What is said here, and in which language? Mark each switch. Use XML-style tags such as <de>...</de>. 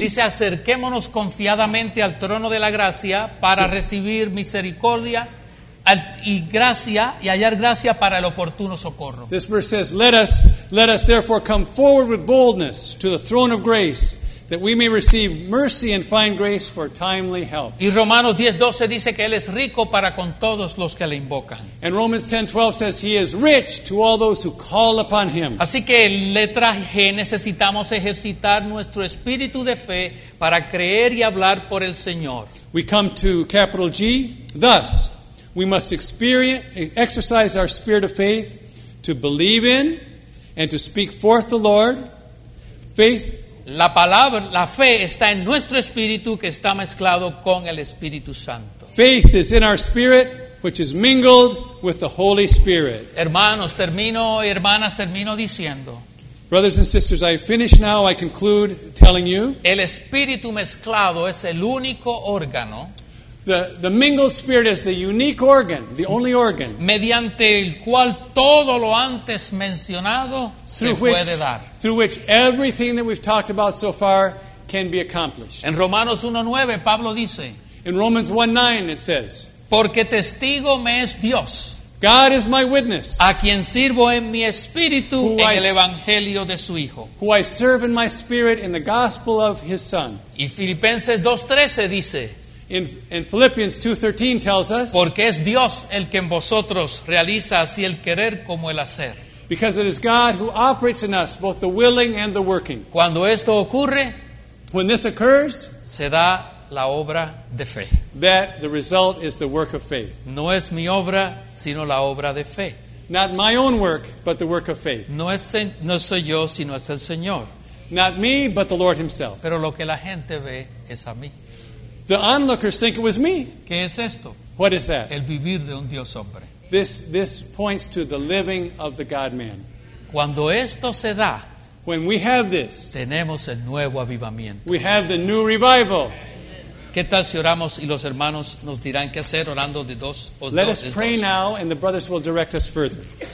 <es>Dice, acerquémonos confiadamente al trono de la gracia para recibir misericordia y gracia y hallar gracia para el oportuno socorro.</es> <en>This verse says, let us therefore come forward with boldness to the throne of grace, that we may receive mercy and find grace for timely help.</en> <es>Y Romanos 10:12 dice que él es rico para con todos los que le invocan.</es> <en>And Romans 10:12 says he is rich to all those who call upon him.</en> <es>Así que letra G, necesitamos ejercitar nuestro espíritu de fe para creer y hablar por el Señor.</es> <en>We come to capital G. Thus, we must exercise our spirit of faith to believe in and to speak forth the Lord. Faith.</en> <es>La palabra, la fe está en nuestro espíritu que está mezclado con el Espíritu Santo.</es> <en>Faith is in our spirit, which is mingled with the Holy Spirit.</en> <es>Hermanos, termino, hermanas, termino diciendo.</es> <en>Brothers and sisters, I finish now, I conclude telling you.</en> <es>El espíritu mezclado es el único órgano.</es> <en>The mingled spirit is the unique organ, the only organ.</en> <es>Mediante el cual todo lo antes mencionado se puede dar.</es> <en>Through which everything that we've talked about so far can be accomplished.</en> <es>En Romanos 1:9, Pablo dice.</es> <en>In Romans 1:9, it says.</en> <es>Porque testigo me es Dios.</es> <en>God is my witness.</en> <es>A quien sirvo en mi espíritu en el evangelio de su hijo.</es> <en>Who I serve in my spirit in the gospel of his son.</en> <es>Y Filipenses 2:13 dice.</es> <en>In Philippians 2:13 tells us.</en> <es>Porque es Dios el que en vosotros realiza así el querer como el hacer.</es> <en>Because it is God who operates in us both the willing and the working.</en> <es>Cuando esto ocurre,</es> <en>when this occurs,</en> <es>se da la obra de fe.</es> <en>That the result is the work of faith.</en> <es>No es mi obra, sino la obra de fe.</es> <en>Not my own work, but the work of faith.</en> <es>No soy yo, sino es el Señor.</es> <en>Not me, but the Lord himself.</en> <es>Pero lo que la gente ve es a mí.</es> <en>The onlookers think it was me.</en> <es>¿Qué es esto?</es> <en>What is that?</en> <es>El vivir de un Dios hombre.</es> <en>This points to the living of the God-man.</en> <es>Cuando esto se da,</es> <en>when we have this,</en> <es>tenemos el nuevo avivamiento.</es> <en>We have the new revival.</en> <es>¿Qué tal si oramos y los hermanos nos dirán qué hacer orando de dos o dos?</es> <en>Let us pray now and the brothers will direct us further.</en>